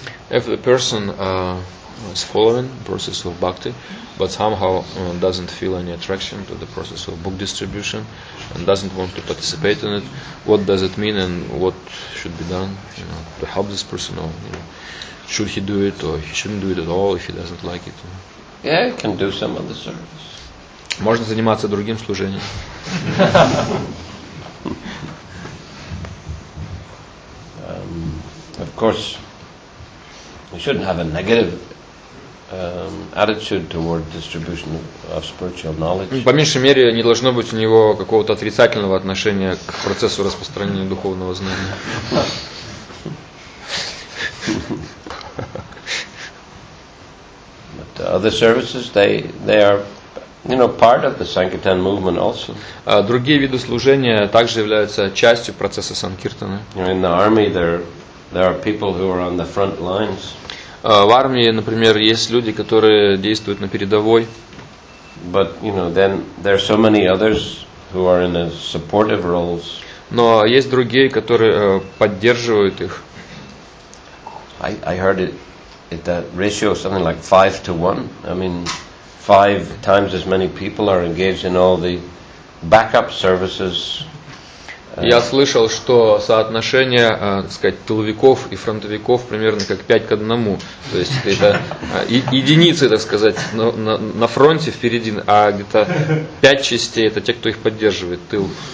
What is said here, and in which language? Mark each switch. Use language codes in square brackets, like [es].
[en] If the person is following process of bhakti, but somehow doesn't feel any attraction to the process of book distribution and doesn't want to participate in it, what does it mean and what should be done, you know, to help this person? Or, you know, should he do it or he shouldn't do it at all if he doesn't like it? Yeah, he can do some other service. [ru] Можно заниматься другим служением. [en] Of course, we shouldn't have a negative attitude toward distribution of spiritual knowledge. [ru] По меньшей мере, не должно быть у него какого-то отрицательного отношения к процессу распространения духовного знания. [en] But other services, they are, you know, part of the Sankirtan movement also. [ru] Другие виды служения также являются частью процесса Санкиртаны. [en] In the army, there are people who are on the front lines. [ru] В армии, например, есть люди, которые действуют на передовой. [en] But, you know, then there are so many others who are in the supportive roles. [ru] Но есть другие, которые поддерживают их. [en] I heard it that ratio of something like 5 to 1. I mean, 5 times as many people are engaged in all the backup services. [ru] Я слышал, что соотношение, так сказать, тыловиков и фронтовиков примерно как 5 к 1. То есть это единицы, так сказать, на фронте впереди, а где-то 5 частей – это те, кто их поддерживает, тыл.